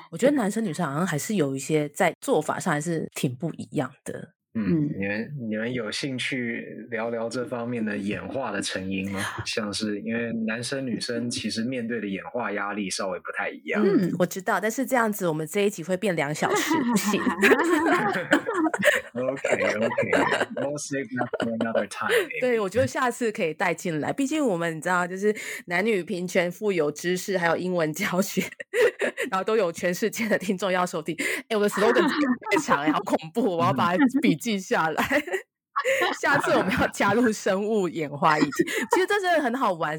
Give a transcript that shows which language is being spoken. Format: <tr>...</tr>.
<zh>我觉得男生女生好像还是有一些在做法上还是挺不一样的。嗯，你们有兴趣聊聊这方面的演化的成因吗？像是因为男生女生其实面对的演化压力稍微不太一样。嗯，我知道，但是这样子我们这一集会变两小时，不行。</zh> <en>OK OK, we'll save that for another time.</en> <zh>对，我觉得下次可以带进来，毕竟我们你知道就是男女平权、富有知识还有英文教学，然后都有全世界的听众要收听。哎，我的 slogan 太长了，好恐怖，我要把笔记下来。下次我们要加入生物演化议题，其实这真的很好玩。</zh>